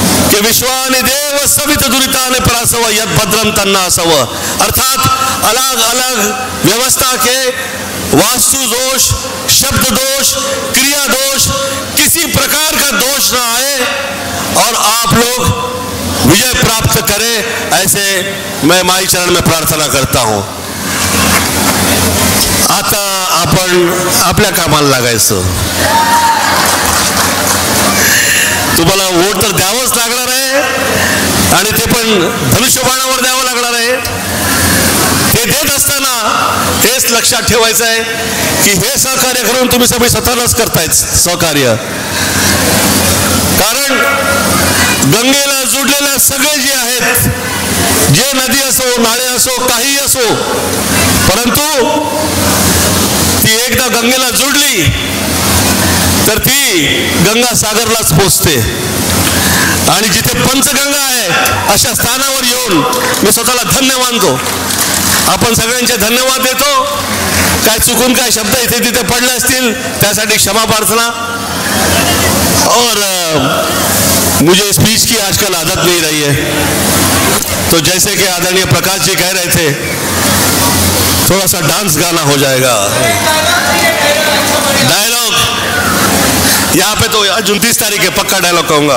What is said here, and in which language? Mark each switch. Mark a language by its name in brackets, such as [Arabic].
[Sanskrit] कि विश्वानि देव सवित दुरिता ने परासव यद भद्रम तन्ना सव, [Hindi] अर्थात अलग अलग व्यवस्था के वास्तु दोष, शब्द दोष, क्रिया दोष, किसी प्रकार का दोष ना आए और आप लोग विजय प्राप्त करें, ऐसे मैं माई चरण में प्रार्थना करता हूं। [Marathi] आता आपण आपल्या कामाला लागायचं, तुम्हाला वोट तर द्यावंच लागणार आहे आणि ते पण धनुष्यबाणावर द्यावं लागणार आहे। ते देत असताना हेच लक्षात ठेवायचं आहे की हे सहकार्य करून तुम्ही सभी स्वतःलाच करतायच सहकार्य, कारण गंगेला जुडलेले सगळे जे आहेत, जे नदी असो नाळे असो काही असो, परंतु ती एकदा गंगेला जुडली तर ती गंगा सागरलाच पोचते, आणि जिथे पंचगंगा आहे अशा स्थानावर येऊन मी स्वतःला धन्य मानतो, आपण सगळ्यांचे धन्यवाद देतो। काय चुकून काय शब्द इथे तिथे पडले असतील त्यासाठी क्षमा प्रार्थना। [Hindi] और मुझे स्पीच की आजकल आदत नहीं रही है, तो जैसे कि आदरणीय प्रकाश जी कह रहे थे थोड़ा सा डांस गाना हो जाएगा, डायलॉग यहाँ पे तो 29 तारीख है, पक्का डायलॉग कहूंगा।